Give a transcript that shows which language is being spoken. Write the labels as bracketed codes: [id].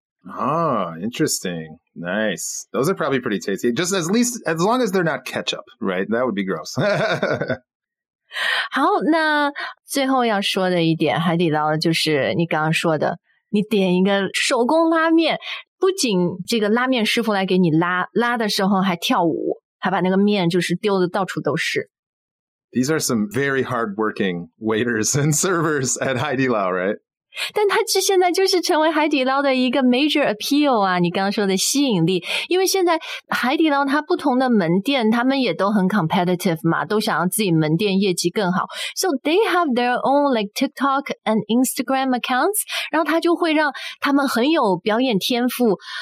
[en] interesting nice those are probably pretty tasty just at least as long as they're not ketchup right that would be gross [zh] 好那最后要说的一点海底捞就是你刚刚说的你点一个手工拉面不仅这个拉面师傅来给你拉拉的时候还跳舞还把那个面就是丢的到处都是。 [en] These are some very hardworking waiters and servers at 海底捞 right? [zh] 但他这现在就是成为海底捞的一个 [en] major appeal [zh] 啊你刚刚说的吸引力因为现在海底捞它不同的门店他们也都很 competitive 嘛都想要自己门店业绩更好 [en] So they have their own like TikTok and Instagram accounts [zh] 然后他就会让他们很有表演天赋